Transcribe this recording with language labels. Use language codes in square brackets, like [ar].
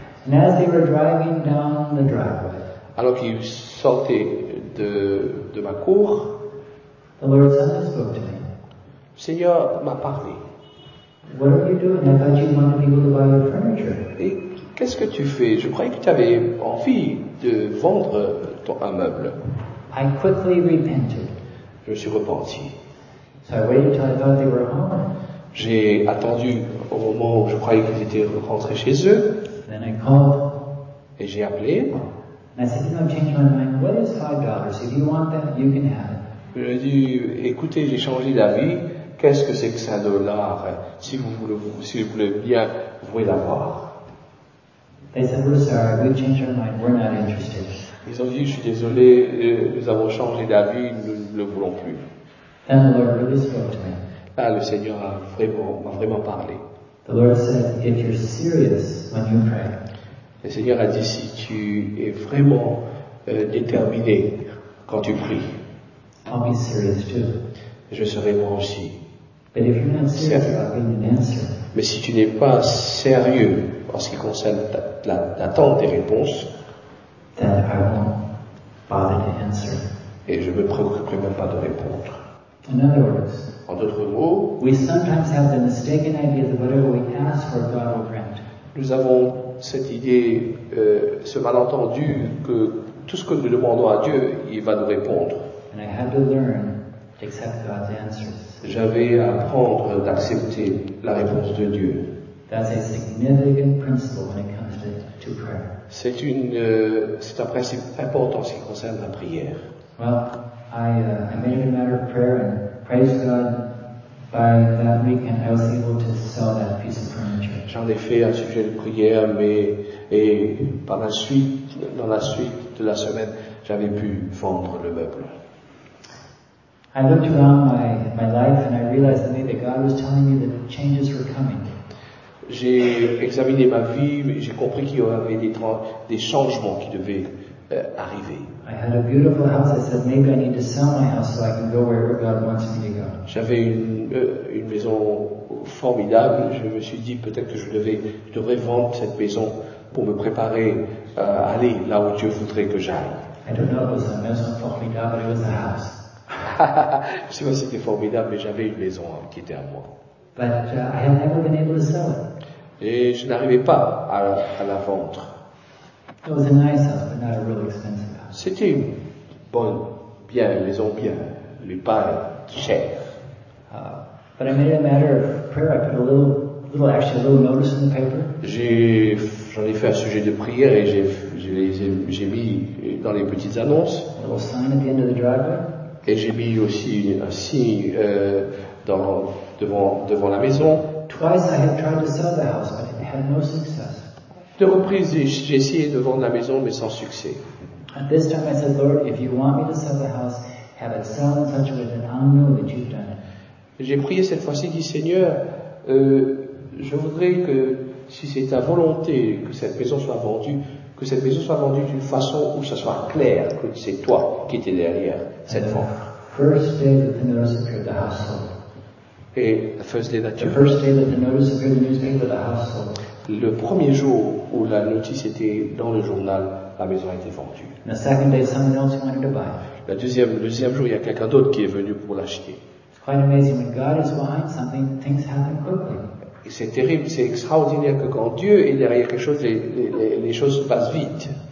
[en] And as they were driving down the driveway, [fr] alors qu'ils sortaient de ma cour, [en] the Lord suddenly spoke to me. [fr] Le Seigneur m'a parlé. [en] What are you doing? I thought you wanted people to buy your furniture. [fr] Et qu'est-ce que tu fais? Je croyais que tu avais envie de vendre un meuble. [en] I quickly repented. [fr] Je me suis repenti. [en] So I waited till I thought they were home. [fr] J'ai attendu au moment où je croyais qu'ils étaient rentrés chez eux. [en] Then I called. [fr] Et j'ai appelé. [en] And I said, I'm changing my mind. What is $5? If you want that, you can have it. [fr] J'ai dit, écoutez, j'ai changé d'avis. Qu'est-ce que c'est que $5? Si vous voulez, bien, vous pouvez l'avoir. [en] They said, we're sorry, we've changed our mind. We're not interested. [fr] Ils ont dit, je suis désolé, nous avons changé d'avis, nous ne le voulons plus. [en] Then the Lord really spoke to me. [fr] Là, le Seigneur m'a vraiment parlé. [en] The Lord said, if you're serious when you pray. [fr] Le Seigneur a dit, si tu es vraiment déterminé quand tu pries, [en] I'll be serious too. [fr] Je serai moi aussi. [en] But if you're not serious, I'll give you an answer. [fr] Mais si tu n'es pas sérieux en ce qui concerne l'attente des réponses, [en] then I won't bother to answer. [fr] Et je ne me préoccuperai même pas de répondre. [en] In other words, [fr] en d'autres mots, [en] we sometimes have the mistaken idea that whatever we ask for, God will grant. [fr] Nous avons cette idée, ce malentendu que tout ce que nous demandons à Dieu, il va nous répondre. [en] And I had to learn to accept God's answers. [fr] J'avais à apprendre d'accepter la réponse de Dieu. [en] That's a significant principle when it comes to prayer. [fr] C'est c'est un principe important en ce qui concerne la prière. [en] Well, I made it a matter of prayer and praise God. By that weekend, I was able to sell that piece of furniture. [fr] J'en ai fait un sujet de prière, et par la suite, dans la suite de la semaine, j'avais pu vendre le meuble. [en] I looked around my life and I realized that God was telling me that changes were coming. [fr] J'ai examiné ma vie, mais j'ai compris qu'il y avait des changements qui devaient arriver. [en] I had a beautiful house. I said maybe I need to sell my house so I can go wherever God wants me to go. [fr] J'avais une maison formidable. Je me suis dit peut-être que je devrais vendre cette maison pour me préparer à aller là où Dieu voudrait que j'aille. [en] I don't know if it was a [fr] maison formidable, [en] but it was a house. [fr] Je sais pas si c'était formidable, mais j'avais une maison qui était à moi. [en] But I had never been able to sell it. [fr] Et je n'arrivais pas à la vendre. [en] It was a nice house, but not a really expensive house. [fr] C'était une bonne, bien, une maison bien, mais pas chère. [en] But I made it a matter of prayer. I put a little notice in the paper. [fr] J'en ai fait un sujet de prière et j'ai mis dans les petites annonces. [en] A little sign at the end of the driveway. [fr] Et j'ai mis aussi un signe devant la maison. [en] Twice I had tried to sell the house, but it had no success. [fr] Deux reprises j'ai essayé de vendre la maison, mais sans succès. [en] At this time I said, Lord, if you want me to sell the house, have it sell in such a way that I'll know that you've done it. [fr] J'ai prié cette fois-ci, dit Seigneur, je voudrais que si c'est ta volonté que cette maison soit vendue, que cette maison soit vendue d'une façon où ça soit clair que c'est toi qui étais derrière cette vente. [en] First day that the notice appeared, the house sold. [fr] Et la [en] first day that the first day that the notice appeared in the newspaper, the house sold. [fr] Le premier jour où la notice était dans le journal, la maison a été vendue. [en] The second day, someone else wanted to buy. [fr] Le deuxième jour, il y a quelqu'un d'autre qui est venu pour l'acheter. [en] It's quite amazing when God is behind something, things happen quickly. [fr] C'est terrible, c'est extraordinaire que quand Dieu est derrière quelque chose, les choses passent vite.